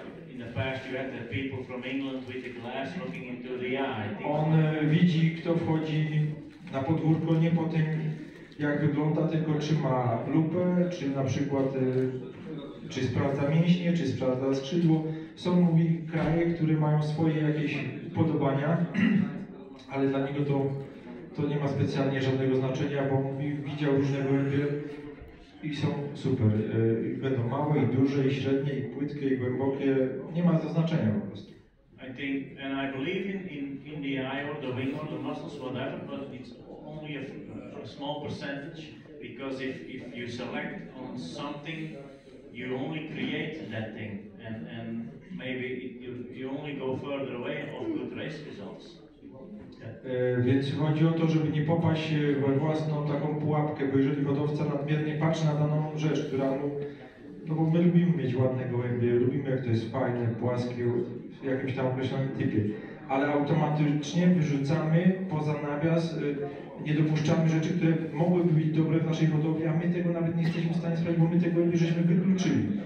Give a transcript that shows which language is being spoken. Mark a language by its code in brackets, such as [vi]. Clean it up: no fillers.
[en] In the past you had the people from England with the glass looking into the eye. [pl] On widzi, kto wchodzi na podwórko, nie po tym, jak wygląda, tylko czy ma lupę, czy na przykład czy sprawdza mięśnie, czy sprawdza skrzydło. Są, mówi, kraje, które mają swoje jakieś upodobania, ale dla niego to nie ma specjalnie żadnego znaczenia, bo mówi, widział różne gołębie i są super. Będą małe i duże, i średnie, i płytkie, i głębokie. Nie ma to znaczenia po prostu. [en] I think, and I believe in the eye or the wing or the muscles, whatever, but it's only a small percentage, because if you select on something, you only create that thing, and maybe you only go further away of good race results. [pl] Więc chodzi o to, żeby nie popaść we własną taką pułapkę, bo jeżeli hodowca nadmiernie patrzy na daną rzecz, która mu... No bo my lubimy mieć ładne gołębie, lubimy, jak to jest fajne, płaskie, w jakimś tam określonym typie. ale automatycznie wyrzucamy poza nawias, nie dopuszczamy rzeczy, które mogłyby być dobre w naszej hodowli, a my tego nawet nie jesteśmy w stanie sprawić, bo my tego nie żeśmy wykluczyli.